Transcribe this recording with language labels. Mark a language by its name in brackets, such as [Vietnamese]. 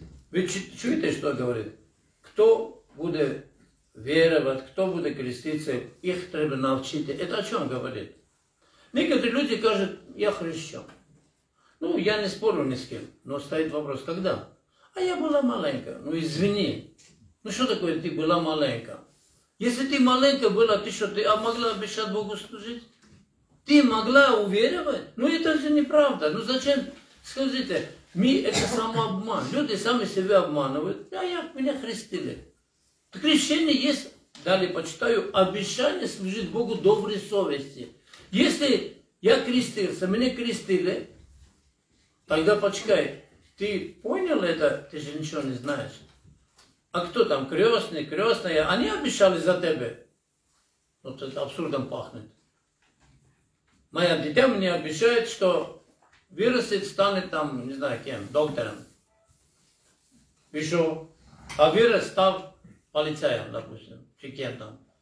[Russian] Вы чуете, что говорит? Кто будет веровать, кто будет креститься, их треба навчить. Это о чем говорит? Некоторые люди говорят, я хрещен. Ну, я не спорю ни с кем, но стоит вопрос, когда? А я была маленькая, ну извини. [Ukrainian] Ну що таке ти була маленька? Якщо ти маленька була, ти що, ти могла обіцяти Богу служити? Ти могла увірювати? Ну це ж неправда. Ну зачем? Скажіть, ми це самообман. Люди самі себе обманують. А як мене хрестили? Хрещення є, далі почитаю, обіцяння служити Богу доброї совісті. Якщо я хрестився, мене хрестили, тоді почекай, ти поняв це, ти ж нічого не знаєш. [Russian] А кто там, крестный, крестная, они обещали за тебе. Вот это абсурдом пахнет. Моя дитя мне обещает, что вырастет, станет там, не знаю кем, доктором. И что? А вырос, став полицаем, допустим, чи кем там.